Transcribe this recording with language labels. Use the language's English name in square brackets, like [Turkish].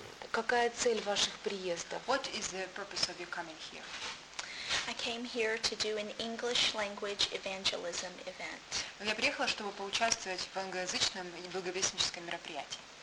[Russian] Какая цель ваших приездов? [English] What is the purpose of your coming here? I came here to do an English language evangelism event. [Russian] Я приехала, чтобы поучаствовать в англоязычном благовестническом мероприятии.